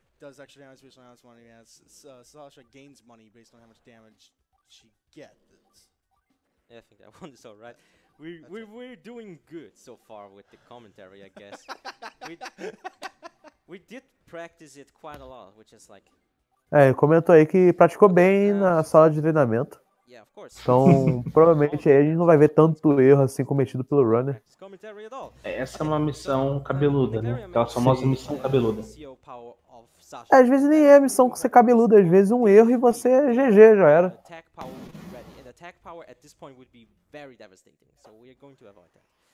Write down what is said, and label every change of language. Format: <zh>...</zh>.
<en>Does extra damage based on how much money he has. Sasha gains money based on how much damage she gets. Yeah, I think that one is all right. We're doing good so far with the commentary, I guess. we did practice it quite a lot, which is like.</en> <pt>É, ele comentou aí que praticou bem na sala de treinamento.</pt> <en>Yeah, of course.</en> <pt>Então, provavelmente aí a gente não vai ver tanto erro assim cometido pelo runner. Essa é uma missão cabeluda, né? Aquela famosa missão cabeluda. Às vezes nem é a missão que você cabeluda, às vezes um erro e você é GG, já era.</pt> <en>Attack power at this point would be very devastating, so we are going to avoid that.</en>